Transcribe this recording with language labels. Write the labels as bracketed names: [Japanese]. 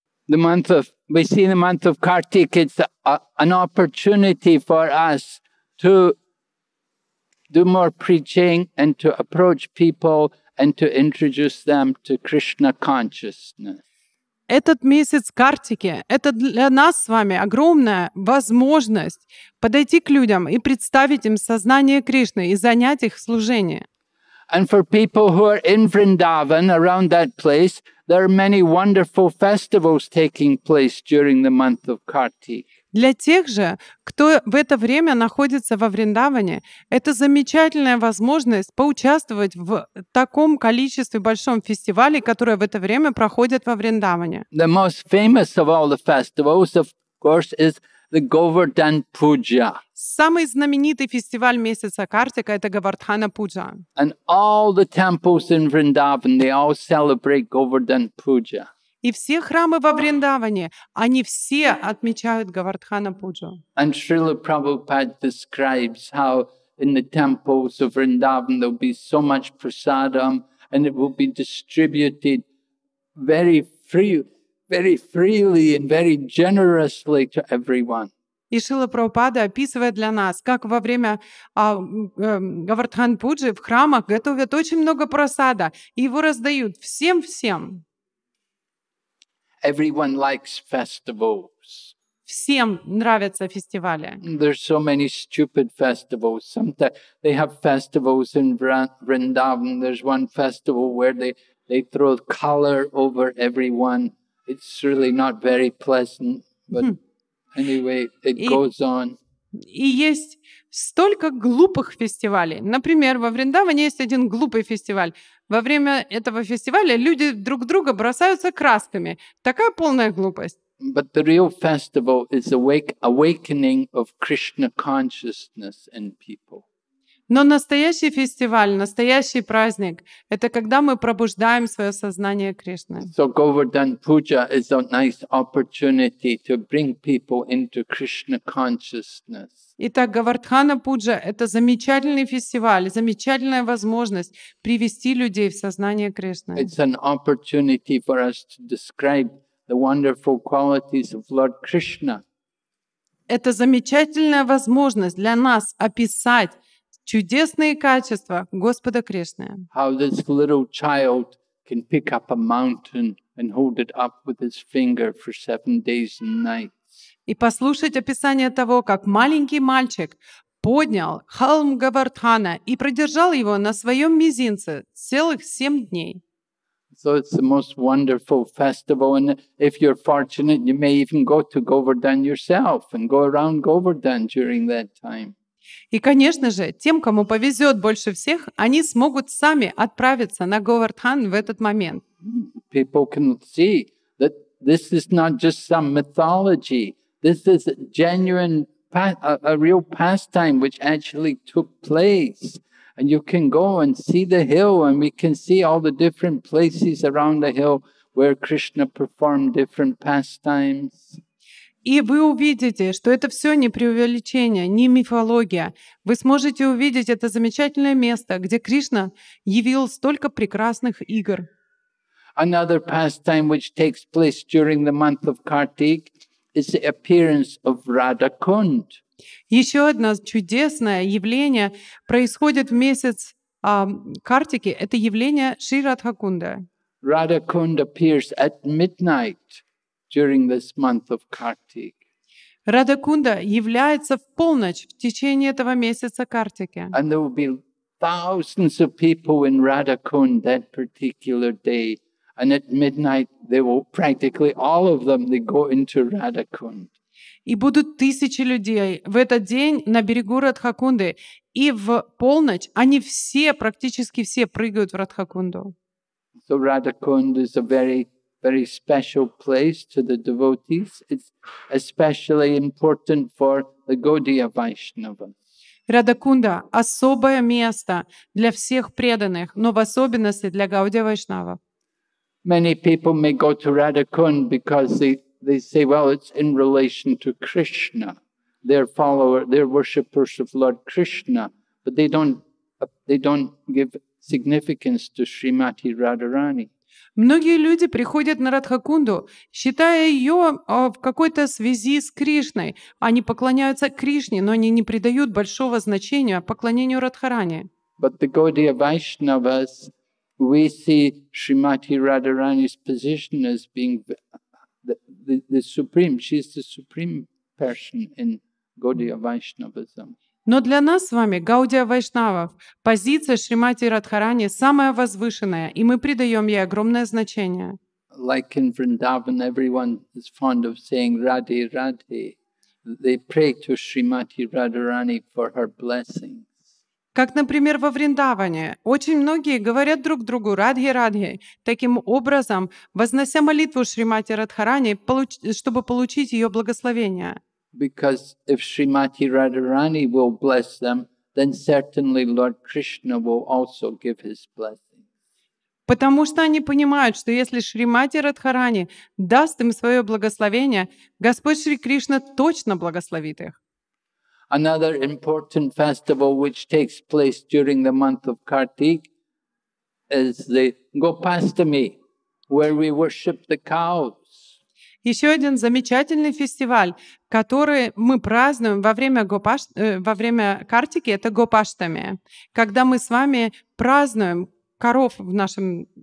[English] We see the month of Kartik, it's an opportunity for us to do more preaching and to approach people and to introduce them to Krishna consciousness. [Russian] Этот месяц Картики — это для нас с вами огромная возможность подойти к людям и представить им сознание Кришны и занять их в служении. [English] And for people who are in Vrindavan, around that place, there are many wonderful festivals taking place during the month of Kartik. [Russian] Для тех же, кто в это время находится во Вриндаване, это замечательная возможность поучаствовать в таком количестве большом фестивале, который в это время проходит во Вриндаване. [English] The most famous of all the festivals, of course, is the Govardhan Puja. [Russian] Самый знаменитый фестиваль месяца Картика — это Говардхана Пуджа. [English] And all the temples in Vrindavan, they all celebrate Govardhan Puja. [Russian] И все храмы во Вриндаване, они все отмечают Говардхана Пуджу. [English] And Srila Prabhupada describes how in the temples of Vrindavan there will be so much prasadam and it will be distributed very freely and very generously to everyone. [Russian] И Шрила Прабхупада описывает для нас, как во время Говардхан Пуджи в храмах готовят очень много прасада и его раздают всем-всем. [English] Everyone likes festivals. [Russian] Всем нравятся фестивали. [English] There's so many stupid festivals. Sometimes they have festivals in Vrindavan. There's one festival where they throw color over everyone. It's really not very pleasant, but anyway, it goes on. [Russian] И есть столько глупых фестивалей. Например, во Вриндаване есть один глупый фестиваль. Во время этого фестиваля люди друг друга бросаются красками. Такая полная глупость. [English] But the real festival is awakening of Krishna consciousness in people. [Russian] Но настоящий фестиваль, настоящий праздник – это когда мы пробуждаем свое сознание Кришны. [English] So Govardhan Puja is a nice opportunity to bring people into Krishna consciousness. [Russian] Итак, Говардхана Пуджа – это замечательный фестиваль, замечательная возможность привести людей в сознание Кришны. [English] It's an opportunity for us to describe the wonderful qualities of Lord Krishna. [Russian] Это замечательная возможность для нас описать чудесные качества Господа Кришны. [English] How this little child can pick up a mountain and hold it up with his finger for 7 days and nights. [Russian] И послушать описание того, как маленький мальчик поднял холм Говардхана и продержал его на своем мизинце целых 7 дней. [English] So it's the most wonderful festival, and if you're fortunate, you may even go to Govardhan yourself and go around Govardhan during that time. [Russian] И, конечно же, тем, кому повезет больше всех, они смогут сами отправиться на Говардхан в этот момент. [English] People can see that this is not just some mythology. This is a genuine, a real pastime which actually took place. And you can go and see the hill, and we can see all the different places around the hill where Krishna performed different pastimes. [Russian] И вы увидите, что это все не преувеличение, не мифология. Вы сможете увидеть это замечательное место, где Кришна явил столько прекрасных игр. [English] Another pastime which takes place during the month of Kartik is the appearance of Radha Kund. [Russian] Еще одно чудесное явление происходит в месяц Картики. Это явление Шри Радха Кунда. [English] Radha Kund appears at midnight during this month of Kartik. [Russian] Radha Kunda является в полночь в течение этого месяца Картики. [English] And there will be thousands of people in Radha Kund that particular day, and at midnight they will practically all of them they go into Radha Kund. [Russian] И будут тысячи людей в этот день на берегу Радха Кунды, и в полночь они все, практически все, прыгают в Радха Кунду. [English] So Radha Kund is a very special place to the devotees. It's especially important for the Gaudiya Vaishnavas. [Russian] Radha Kunda – особое место для всех преданных, но в особенности для Gaudiya Vaishnavas. [English] Many people may go to Radha Kund because they say, well, it's in relation to Krishna. They're worshippers of Lord Krishna, but they don't give significance to Srimati Radharani. [Russian] Многие люди приходят на Радхакунду, считая ее в какой-то связи с Кришной. Они поклоняются Кришне, но они не придают большого значения поклонению Радхарани. [English] But the Gaudiya Vaishnavas, we see Srimati Radharani's position as being the supreme. She's the supreme person in Gaudiya Vaishnavism. [Russian] Но для нас с вами, Гаудия Вайшнавов, позиция Шримати Радхарани самая возвышенная, и мы придаем ей огромное значение. [English] Like in Vrindavan, everyone is fond of saying Radhe, Radhe. They pray to Shrimati Radharani for her blessings. [Russian] Как, например, во Вриндаване, очень многие говорят друг другу Радхе, Радхе, таким образом, вознося молитву Шримати Радхарани, чтобы получить ее благословение. [English] Because if Srimati Radharani will bless them, then certainly Lord Krishna will also give his blessing. [Russian] Потому что они понимают, что если Шримати Радхарани даст им свое благословение, Господь Шри Кришна точно благословит их. [English] Another important festival which takes place during the month of Kartik is the Gopastami, where we worship the cows. [Russian] Еще один замечательный фестиваль, который мы празднуем во время Картики, это Гопаштами, когда мы с вами празднуем коров в нашем...